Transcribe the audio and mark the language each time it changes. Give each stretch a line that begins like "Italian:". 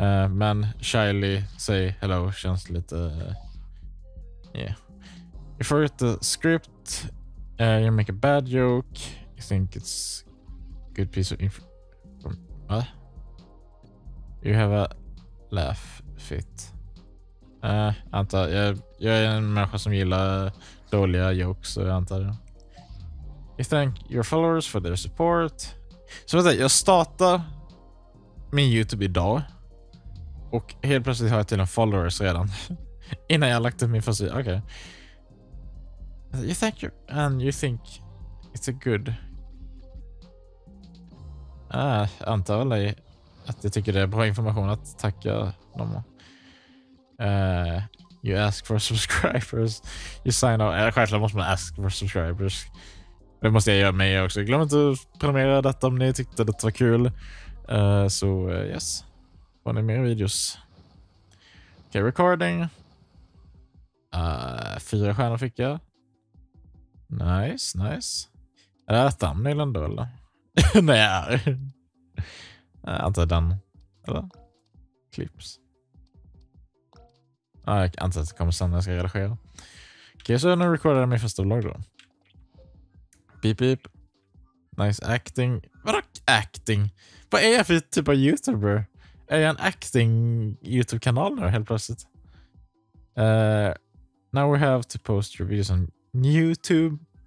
Swedish: Men
English: shyly say hello
Swedish: känns lite.
English: Yeah. You forget the script. You make a bad joke. You think it's good piece of information. You have a Laugh Fit.
Swedish: Antar jag är en människa som gillar dåliga jokes, så jag antar det.
English: You thank your followers for their support.
Swedish: Så vänta, jag startar min YouTube idag och helt plötsligt har jag till en followers redan innan jag lagt upp min första. Okej. Okay.
English: You thank you and you think it's a good.
Swedish: Antar väl att jag tycker det är bra information att tacka dem.
English: You ask for subscribers. You sign up.
Swedish: Självklart måste man
English: ask for subscribers.
Swedish: Det måste jag göra med också. Glöm inte att prenumerera detta om ni tyckte det var kul. Yes. Får ni mer videos? Okej, okay, recording. 4 stjärnor fick jag. Nice, nice. Är det thumbnail ändå eller? Nej, jag antar den. Eller? Clips. Jag antar att det kommer sen när jag ska redigera. Okej, okay, så nu recordar jag min första vlogg då. Beep, beep. Nice acting. Vadå acting? Vad är jag för typ av YouTuber? Är jag en acting YouTube-kanal nu helt plötsligt?
English: Now we have to post reviews on YouTube.